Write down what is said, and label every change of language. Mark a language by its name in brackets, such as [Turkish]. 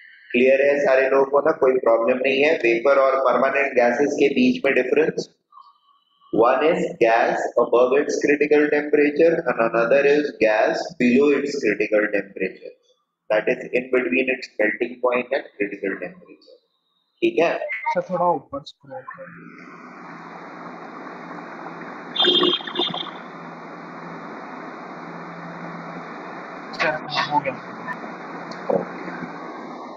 [Hindi] Clear है सारे लोगों को ना? कोई प्रॉब्लम नहीं है. वेपर और परमानेंट गैसेस के बीच में difference, [English] one is gas above its critical temperature [Hindi] and another is gas below it's critical temperature. [English] That is in between its melting point and critical temperature. [Hindi] ठीक है? सर थोड़ा ऊपर scroll करो. Sir हो गया.